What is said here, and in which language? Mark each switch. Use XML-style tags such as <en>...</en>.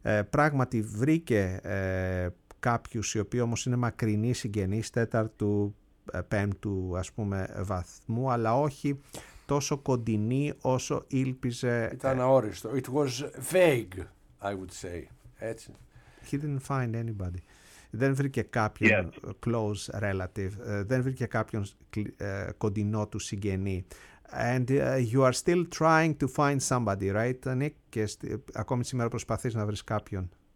<el>Πράγματι βρήκε κάποιους οι οποίοι όμως είναι μακρινοί συγγενείς τέταρτου, πέμπτου ας πούμε βαθμού, αλλά όχι τόσο κοντινή όσο ήλπιζε. Ήταν αόριστο.</el> <en>It was vague, I would say.</en> <el>Έτσι.</el> <en>He didn't find anybody.</en> <el>Δεν βρήκε κάποιον</el> <en>close relative.</en> <el>Δεν βρήκε κάποιον κοντινό του συγγενή.</el> <en>And you are still trying to find somebody, right, Nick?</en> <el>Και ακόμη σήμερα προσπαθείς να βρεις κάποιον.</el>